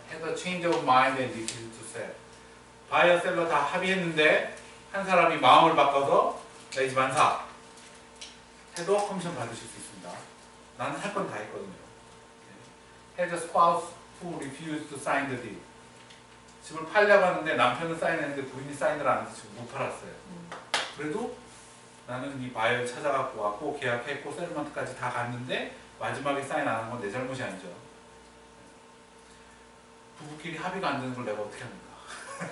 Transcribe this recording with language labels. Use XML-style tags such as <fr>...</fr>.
<en>Had a change of mind and decided to sell.</en> <ko>바이어 셀러 다 합의했는데 한 사람이 마음을 바꿔서 나 이제 안 사 해도 커미션 받으실 수 있습니다. 나는 할 건 다 했거든요.</ko> <en>Had a spouse who refused to sign the deal.</en> <ko>집을 팔려고 하는데 남편은 사인했는데 부인이 사인을 안 해서 지금 못 팔았어요. 그래도 나는 이 바이어를 찾아갖고 왔고 계약했고 셀러먼트까지 다 갔는데 마지막에 사인 안 한 건 내 잘못이 아니죠. 부부끼리 합의가 안 되는 걸 내가 어떻게 하는가.</ko>